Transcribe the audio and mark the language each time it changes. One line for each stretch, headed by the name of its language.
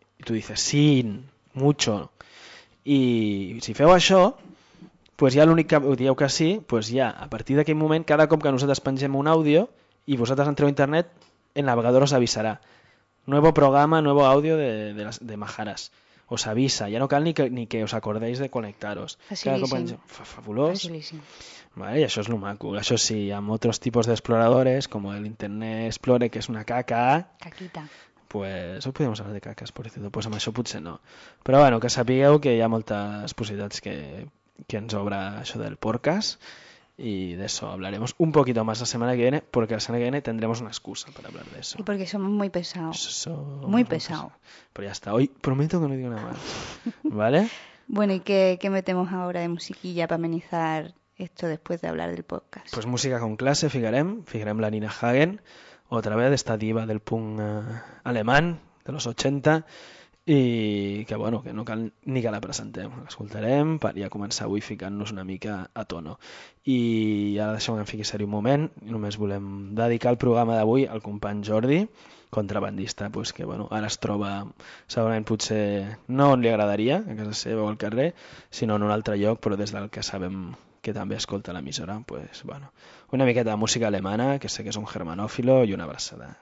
Catalan: I
Spanish: tu dices, sí, mucho.
Catalan: I si feu això, pues ja l'únic que dieu que sí, pues ja, a partir d'aquell moment, cada cop que nosaltres pengem un àudio i vosaltres entreu a internet, el navegador us avisarà.
Spanish: Nuevo programa, nuevo audio de Majares. Os avisa,
Catalan: ja no cal ni que us acordeu de connectar-vos. Facilíssim. Fabulós. Facilíssim. Vale, i això és lo maco. Això sí, hi ha altres tipus d'exploradores, com l'Internet Explore, que és una caca. Caquita. Pues, ho podríem parlar de cacas,
Spanish: por cierto.
Catalan: Pues amb això potser no. Però bueno, que sapigueu que hi ha moltes possibilitats que ens obre això del podcast.
Spanish: Y de eso hablaremos un poquito más la semana que viene, porque la semana que viene tendremos una excusa para hablar de eso. Y porque somos muy pesados. Muy pesados. Pero ya está. Hoy prometo que no digo nada más. ¿Vale? Bueno, ¿y qué metemos ahora de musiquilla para amenizar esto después de hablar del podcast? Pues música con clase, fijaremos la Nina Hagen, otra vez esta diva del punk alemán de los 80.
Catalan: I que, bueno, que no cal ni que la presentem. L'escoltarem per ja començar avui ficant-nos una mica a tono. I ara deixem que em fiqui seriós un moment. Només volem dedicar el programa d'avui al company Jordi, contrabandista, pues, que bueno, ara es troba, segurament potser no on li agradaria, a casa seva o al carrer, sinó en un altre lloc, però des del que sabem que també escolta l'emissora, pues, bueno, una miqueta de música alemana, que sé que és un germanòfilo, i una abraçada.